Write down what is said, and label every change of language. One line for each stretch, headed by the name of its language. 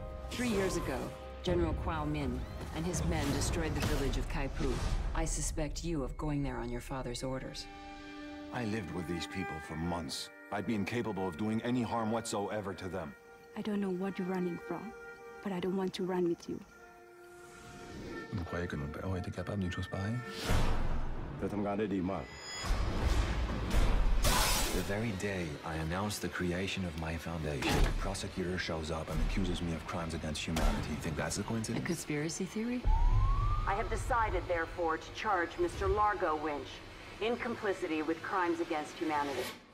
English: 3 years ago, General Quao Min and his men destroyed the village of Kaipu. I suspect you of going there on your father's orders. I lived with these people for months. I'd be incapable of doing any harm whatsoever to them. I don't know what you're running from, but I don't want to run with you.
French: Vous croyez que mon père aurait été capable d'une chose pareille? Peut-être me garder des mains.
English: The very day I announce the creation of my foundation, a prosecutor shows up and accuses me of crimes against humanity. You think that's a coincidence? A conspiracy theory? I have decided, therefore, to charge Mr. Largo Winch in complicity with crimes against humanity.